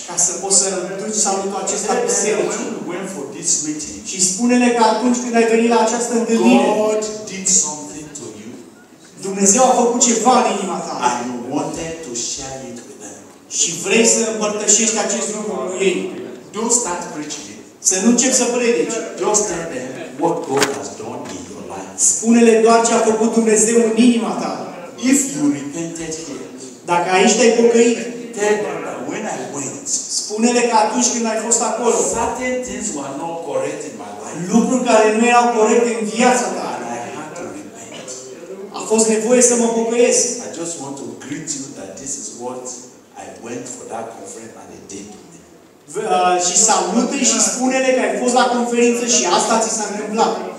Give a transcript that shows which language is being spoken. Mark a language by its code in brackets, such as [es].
[ro] ca să poți să duci salutul acesta biserici. [en] Went for this meeting, [ro] și spune-ne că atunci când ai venit la această întâlnire, [en] God did something to you, [ro] Dumnezeu a făcut ceva în inima ta, [en] and you wanted to share it with them, [ro] și vrei să împărtășești acest lucru cu ei. [en] Don't start preaching, [ro] să nu începi să predici. [en] Just tell them what God has done in your life, [ro] spune-le doar ce a făcut Dumnezeu în inima ta. [en] If you repented here, [ro] dacă aici te-ai pocăit, [en] tell them that when I went, [ro] spune-le că atunci când ai fost acolo, [en] certain things were not correct in my life, [ro] lucruri care nu erau corecte în viața ta, [en] and I had to repent, [ro] a fost nevoie să mă pocăiesc. [en] I just want to greet you that this is what I went for that conference and I did. [ro] Și salută-i și spune-le că ai fost la conferință și asta ți s-a întâmplat.